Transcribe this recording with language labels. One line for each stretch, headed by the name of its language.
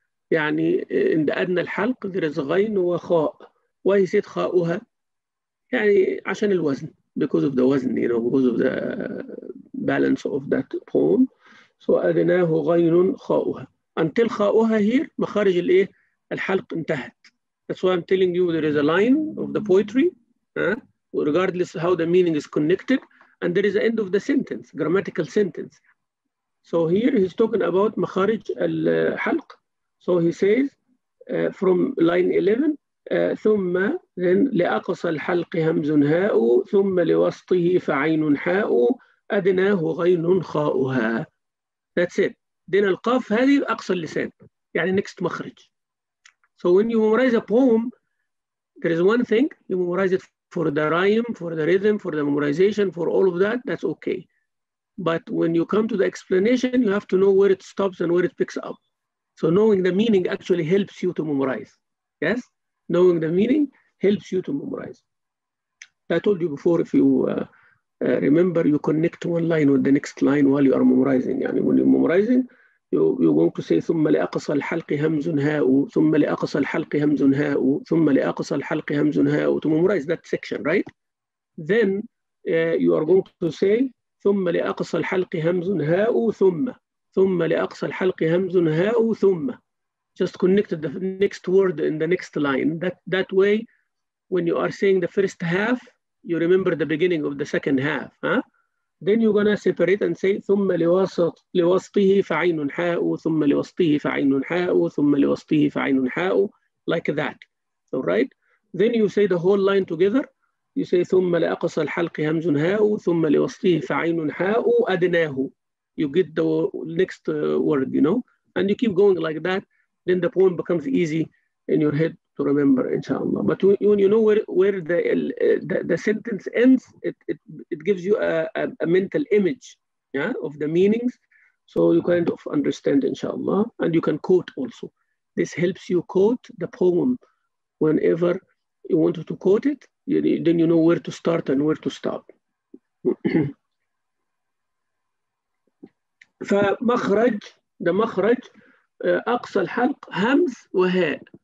Arabic: يعني عند أدنى الحلق
English: there is
Arabic: غين وخاء.
English: Why is it
Arabic: خاءها؟ يعني عشان الوزن.
English: Because of the وزن, you know, because of the balance of that bone.
Arabic: So أدناه غين خاؤها.
English: Until
Arabic: خاؤها here, مخارج الإيه؟ الحلق انتهت.
English: That's why I'm telling you there is a line of the poetry, regardless how the meaning is connected, and there is the end of the sentence, grammatical sentence. So here he's talking about مخارج الحلق. So he says from line 11,
Arabic: ثم
English: then
Arabic: لأقصى الحلق همز هاء ثم لوسطه فعين حاء أدناه غين خاؤها.
English: That's it. Then
Arabic: القاف هذه أقصى اللسان. يعني
English: next
Arabic: مخرج.
English: So when you memorize a poem, there is one thing. You memorize it for the rhyme, for the rhythm, for the memorization, for all of that. That's okay. But when you come to the explanation, you have to know where it stops and where it picks up. So knowing the meaning actually helps you to memorize. Yes? Knowing the meaning helps you to memorize. I told you before, if you remember, you connect one line with the next line while you are memorizing.
Arabic: يعني
English: when you're memorizing, you're going to say
Arabic: ثم لأقصى الحلق همز هاء ثم لأقصى الحلق همز هاء ثم لأقصى الحلق همز هاء
English: to memorize that section, right? Then you are going to say
Arabic: ثم لأقصى الحلق همز هاء ثم لأقصى الحلق همز هاء ثم.
English: Just connected the next word in the next line. That way, when you are saying the first half, you remember the beginning of the second half. Huh? Then you're gonna separate and say
Arabic: ثم لوسط لوسطه فعين حاء ثم لوسطه فعين حاء ثم لوسطه فعين حاء,
English: like that. All right. Then you say the whole line together. You say
Arabic: ثم لأقصى الحلق همز هاء ثم لوسطه فعين حاء أدناه.
English: You get the next word, you know, and you keep going like that. Then the poem becomes easy in your head to remember, inshallah. But when you know where the sentence ends, it gives you a mental image, yeah, of the meanings. So you kind of understand, inshallah. And you can quote also. This helps you quote the poem whenever you want to quote it. Then you know where to start and where to stop.
Arabic: فمخرج, the مخرج, أقصى الحلق همز وهاء.